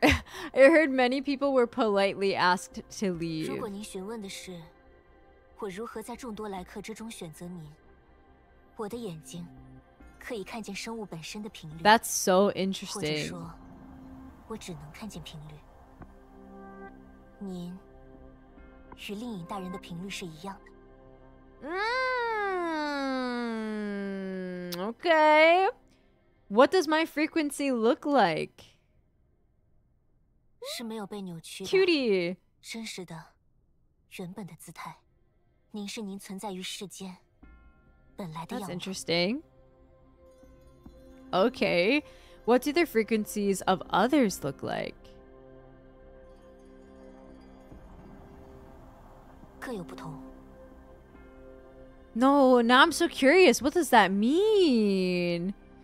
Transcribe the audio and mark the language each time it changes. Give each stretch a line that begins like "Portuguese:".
English: I heard many people were politely asked to leave.
Chinese: 如果您询问的是, 我如何在众多来客之中选择您? 我的眼睛 可以看见生物本身的频率。
English: That's so interesting.
Chinese: 或者说, 我只能看见频率。您 与另一大人的频率是一样的。
English: Okay. What does my frequency look like?
Chinese: 是没有被扭曲的,
English: Cutie.
Chinese: 真实的, 原本的姿态, 您是您存在于世间, 本来的样貌。
English: That's interesting. Okay. What do the frequencies of others look like?
Chinese: 各有不同。
English: No, now I'm so curious. What does that mean?